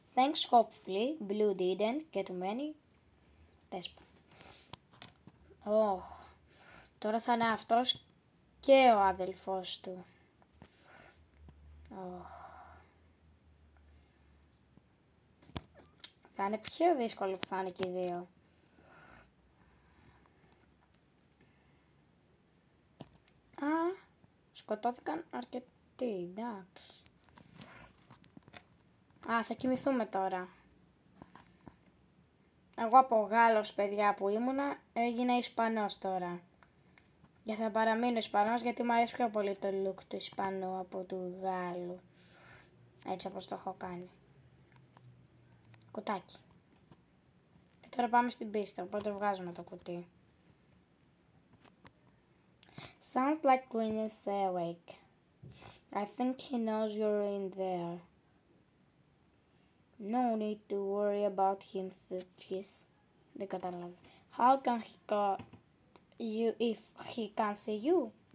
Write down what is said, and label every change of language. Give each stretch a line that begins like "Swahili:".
English: Thanks, hopefully, Blue didn't get many.
Greek: Τέσπα. Ωχ, τώρα θα είναι αυτός και ο αδελφός του. Ωχ. Θα είναι πιο δύσκολο που θα είναι και οι δύο. Α, σκοτώθηκαν αρκετοί, εντάξει. Α, θα κοιμηθούμε τώρα. Εγώ από Γάλλος, παιδιά, που ήμουνα, έγινα Ισπανός τώρα. Και θα παραμείνω Ισπανός, γιατί μου αρέσει πιο πολύ το look του Ισπανού από του Γάλλου. Έτσι όπως το έχω κάνει. Κουτάκι. Και τώρα πάμε στην πίστα, οπότε βγάζουμε το κουτί.
English: Sounds like Green is awake. I think he knows you're in there. No need to worry about him, Thupis.
Greek: Δεν καταλάβω.
English: How can he cut you if he can't see you?